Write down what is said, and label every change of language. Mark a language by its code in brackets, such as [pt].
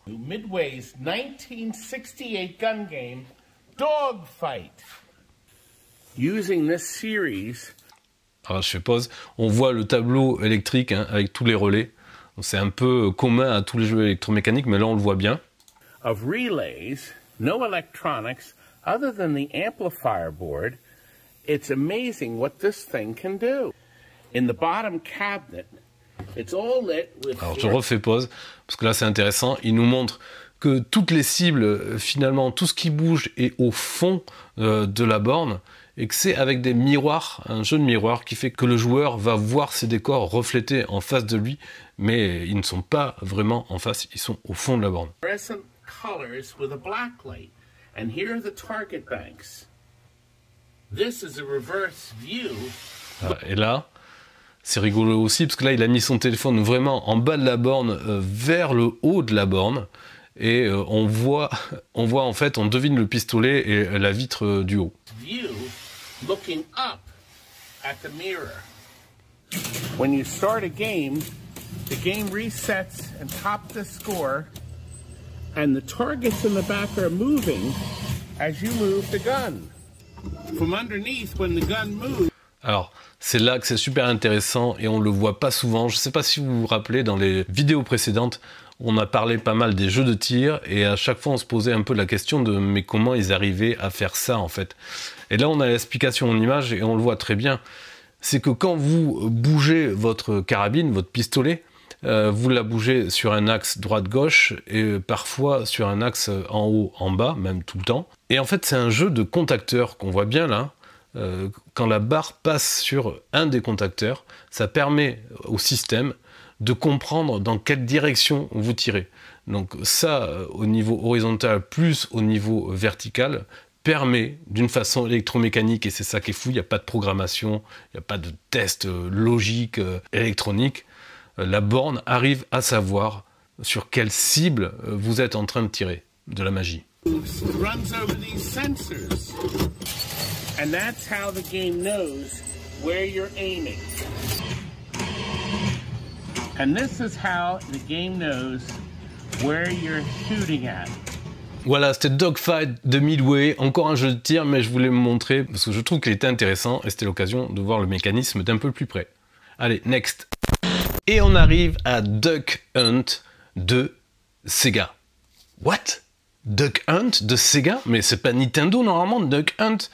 [en] Midway's 1968 gun game, Dogfight. Using this series... [fr] Alors, je fais pause. On voit le tableau électrique, hein, avec tous les relais. C'est un peu commun à tous les jeux électromécaniques, mais là, on le voit bien. [en] Of relays, no electronics, other than the amplifier board, it's amazing what this thing can do. In the bottom cabinet, it's all lit with... [fr] Alors, je refais pause, parce que là, c'est intéressant. Il nous montre que toutes les cibles, finalement, tout ce qui bouge est au fond de la borne, et que c'est avec des miroirs, un jeu de miroirs, qui fait que le joueur va voir ses décors reflétés en face de lui, mais ils ne sont pas vraiment en face, ils sont au fond de la borne. [en] Colors with a black light, and here are the target banks. This is a reverse view. [fr] Et là, c'est rigolo aussi, parce que là, il a mis son téléphone vraiment en bas de la borne, vers le haut de la borne, et on voit en fait, on devine le pistolet et la vitre du haut. [en] View looking up at the mirror. When you start a game, the game resets and tops the score. And the targets in the back are moving as you move the gun. From underneath, when the gun moves... [fr] Alors, c'est là que c'est super intéressant et on le voit pas souvent. Je sais pas si vous vous rappelez, dans les vidéos précédentes, on a parlé pas mal des jeux de tir et à chaque fois on se posait un peu la question de mais comment ils arrivaient à faire ça en fait. Et là on a l'explication en image et on le voit très bien. C'est que quand vous bougez votre carabine, votre pistolet, vous la bougez sur un axe droite-gauche et parfois sur un axe en haut, en bas, même tout le temps. Et en fait, c'est un jeu de contacteurs qu'on voit bien là. Quand la barre passe sur un des contacteurs, ça permet au système de comprendre dans quelle direction vous tirez. Donc ça, au niveau horizontal plus au niveau vertical, permet d'une façon électromécanique, et c'est ça qui est fou, il n'y a pas de programmation, il n'y a pas de test logique électronique. La borne arrive à savoir sur quelle cible vous êtes en train de tirer, de la magie. [en] Runs over these sensors. And that's how the game knows where you're aiming. And this is how the game knows where you're shooting at. [fr] Voilà, c'était Dogfight de Midway, encore un jeu de tir, mais je voulais me montrer parce que je trouve qu'il était intéressant et c'était l'occasion de voir le mécanisme d'un peu plus près. Allez, next. Et on arrive à Duck Hunt de Sega. What? Duck Hunt de Sega? Mais c'est pas Nintendo normalement, Duck Hunt?